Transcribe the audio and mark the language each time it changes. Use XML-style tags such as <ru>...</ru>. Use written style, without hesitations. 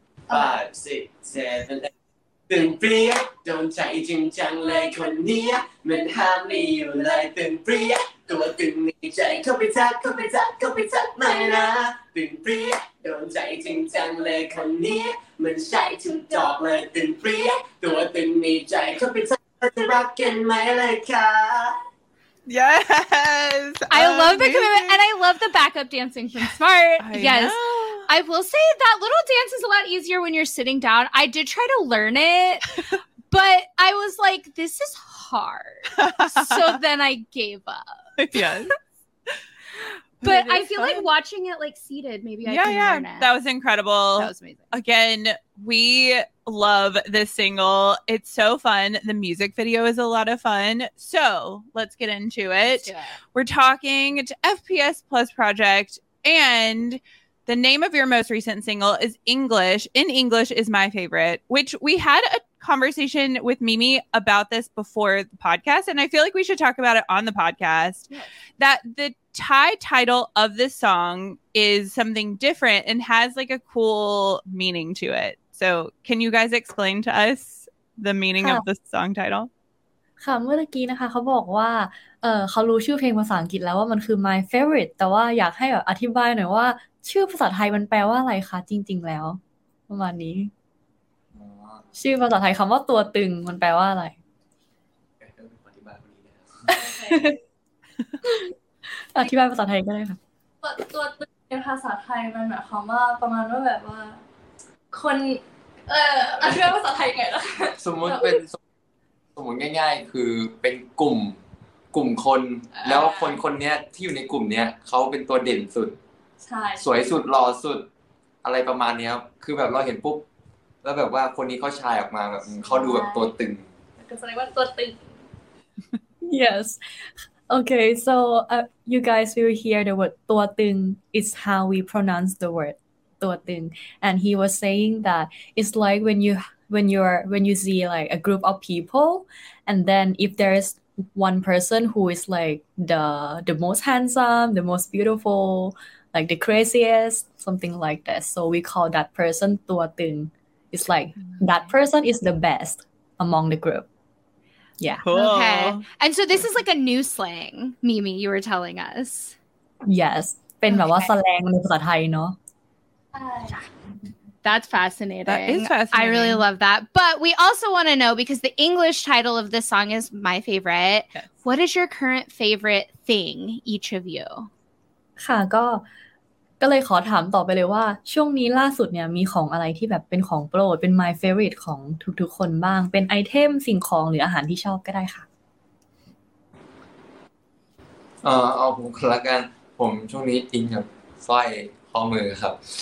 <th>5 6 7 8ตื่นเปรี้ยโดนใจจริงจังเลยคนเนี้ยมันห้ามไม่อยู่เลยตื่นเปรี้ยตัวตึงในใจเข้าไปจับเข้าไปจับเข้าไปจับไม่นะตื่นเปรี้ยโดนใจจริงจังเลยคนนี้มันใช่ทุกดอกเลยตื่นเปรี้ยตัวตึงในใจเข้าไปจับจะรักกันไหมเลยค่ะ</th> <en>Yes, I love the commitment, and I love the backup dancing from Smart. I will say that little dance is a lot easier when you're sitting down. I did try to learn it, but I was like, "This is hard." So then I gave up. Yes, but I feel fun. Like watching it like seated. Maybe I can learn it. That was incredible. That was amazing. Again, we love this single. It's so fun. The music video is a lot of fun. So let's get into it. We're talking to FPS Plus Project, and the name of your most recent single is English. In English is my favorite, which we had a conversation with Mimi about this before the podcast, and I feel like we should talk about it on the podcast. Yes. That the Thai title of this song is something different and has like a cool meaning to it. So can you guys explain to us the meaning of the song title?</en> <th>ค่ะเมื่อกี้นะคะเขาบอกว่าเขารู้ชื่อเพลงภาษาอังกฤษแล้วว่ามันคือ</th> <en>my favorite</en> <th>แต่ว่าอยากให้แบบอธิบายหน่อยว่าชื่อภาษาไทยมันแปลว่าอะไรคะจริงๆแล้วประมาณนี้ชื่อภาษาไทยคำว่าตัวตึงมันแปลว่าอะไร อธิบายคนนี้นะ ครับอธิบายภาษาไทยก็ได้ค่ะ ตัวตึงในภาษาไทยมันหมายความว่าประมาณว่าแบบว่าคนอธิบายภาษาไทยไงล่ะ สมมติเป็นสมมติง่ายๆคือเป็นกลุ่มคนแล้วคนเนี้ยที่อยู่ในกลุ่มเนี้ยเขาเป็นตัวเด่นสุด ใช่ สวยสุดหล่อสุดอะไรประมาณเนี้ยคือแบบเราเห็นปุ๊บแล้วแบบว่าคนนี้เขาชายออกมาแบบเขาดูแบบตัวตึง ก็แสดงว่าตัวตึง</th> <en>yes okay so you guys will hear the word ตัวตึง is how we pronounce the word ตัวตึง and he was saying that it's like when you see like a group of people and then if there is one person who is like the most handsome, the most beautiful, like the craziest, something like that, so we call that person tua tung. It's like that person is the best among the group. Yeah. Cool. Okay, and so this is like a new slang, Mimi, you were telling us. Yes,</en> <th>เป็นแบบว่า slang ในภาษาไทยเนาะ</th> <en>That's fascinating. That is fascinating. I really love that. But we also want to know, because the English title of this song is my favorite. Yes. What is your current favorite thing, each of you?</en> <th>ค่ะก็เลยขอถามต่อไปเลยว่าช่วงนี้ล่าสุดเนี่ยมีของอะไรที่แบบเป็นของโปรดเป็น</th> <en>my favorite</en> <th>ของทุกๆคนบ้างเป็นไอเทมสิ่งของหรืออาหารที่ชอบก็ได้ค่ะ เอาผมละกันผมช่วงนี้อินกับสร้อยข้อมือครับ</th>